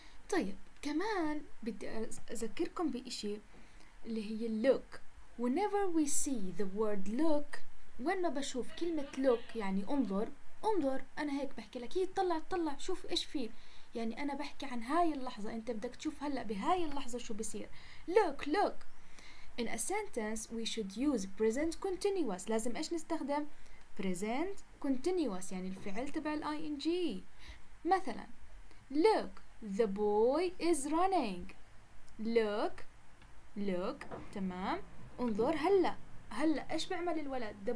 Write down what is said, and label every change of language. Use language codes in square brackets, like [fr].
[ar] طيب كمان بدي أذكركم بإشي اللي هي look. [en] Whenever we see the word look، [ar] وين ما بشوف كلمة look يعني انظر انظر، أنا هيك بحكي لك هي طلع طلع شوف إيش فيه، يعني أنا بحكي عن هاي اللحظة، أنت بدك تشوف هلأ بهاي اللحظة شو بصير. [en] Look look. In a sentence we should use present continuous. [ar] لازم إيش نستخدم؟ present continuous يعني الفعل تبع ال ing. مثلا [en] look the boy is running. [ar] look look تمام، انظر هلا ايش بيعمل الولد.